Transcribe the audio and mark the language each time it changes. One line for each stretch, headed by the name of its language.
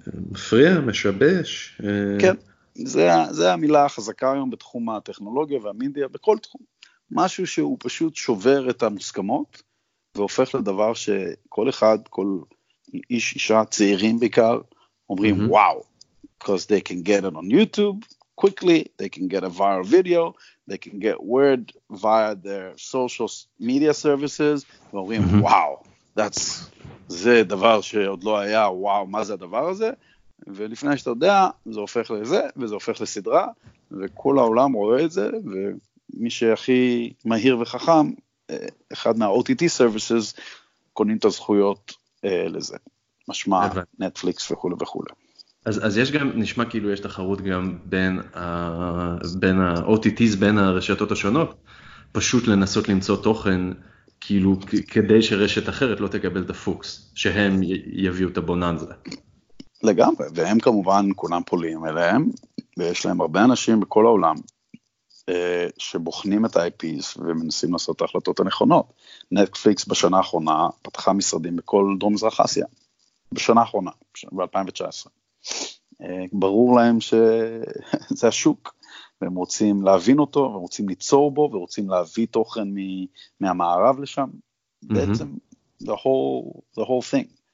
Hebrew: מפריע, משבש. כן, זה המילה החזקה היום בתחום הטכנולוגיה והמידיה, בכל תחום. משהו שהוא פשוט שובר את המוסכמות, והופך לדבר שכל אחד, כל איש, אישה, צעירים בעיקר, אומרים, mm-hmm.
English: וואו, because they can get it on YouTube quickly, they can get a viral video, they can get word via their social media services,
Hebrew: ואומרים,
English: mm-hmm.
Hebrew: וואו, that's, זה דבר שעוד לא היה, וואו, מה זה הדבר הזה? ולפני שאתה יודע, זה הופך לזה, וזה הופך לסדרה, וכל העולם רואה את זה, ומי שהכי מהיר וחכם, אחד מה-OTT services, קונים את הזכויות לזה. משמע, נטפליקס וכו' וכו'. אז יש גם, נשמע כאילו יש תחרות גם בין ה-OTTs, בין הרשתות השונות, פשוט לנסות למצוא תוכן, כאילו כדי שרשת אחרת לא תקבל את הפוקס, שהם יביאו את הבוננזה. לגמרי, והם כמובן כולם פולים אליהם, ויש להם הרבה אנשים בכל העולם, שבוחנים את ה-IPs ומנסים לעשות ההחלטות הנכונות. נטפליקס בשנה האחרונה פתחה משרדים בכל דרום מזרח אסיה, בשנה האחרונה, ב-2019. ברור להם שזה השוק, והם רוצים להבין אותו, והם רוצים ליצור בו, ורוצים להביא תוכן מהמערב לשם. בעצם,
English: the whole thing.